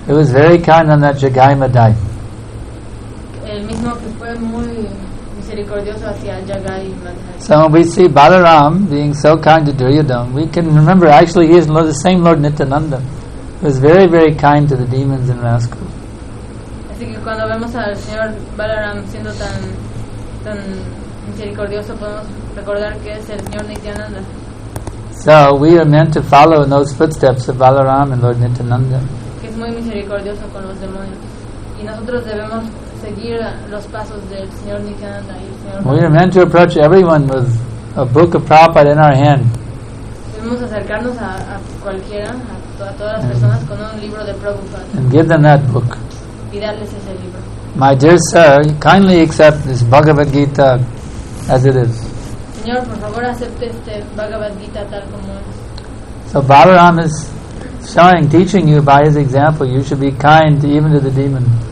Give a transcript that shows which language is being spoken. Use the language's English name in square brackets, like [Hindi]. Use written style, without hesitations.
[English] He was very kind on that Jagai Madai. [Spanish] El mismo que fue muy misericordioso hacia Jagai Madai. [English] So when we see Balaram being so kind to Duryodhana, we can remember actually he is the same Lord Nityananda. Was very, very kind to the demons and rascals. [Spanish] Así que cuando vemos al señor Balaram siendo tan misericordioso, podemos recordar que es el señor Nityananda. [English] So we are meant to follow in those footsteps of Balaram and Lord Nityananda. [Spanish] Que es muy misericordioso con los demonios, y nosotros debemos seguir los pasos del señor Nityananda y el señor. [English] We are meant to approach everyone with a book of Prabhupada in our hand. [Spanish] Debemos acercarnos a cualquiera. [English] And give them that book. [Spanish] Y darles ese libro. [English] My dear sir, kindly accept this Bhagavad Gita as it is. [Spanish] Señor, por favor, acepte este Bhagavad Gita tal como es. [English] So Balaram is showing, teaching you by his example, you should be kind even to the demon.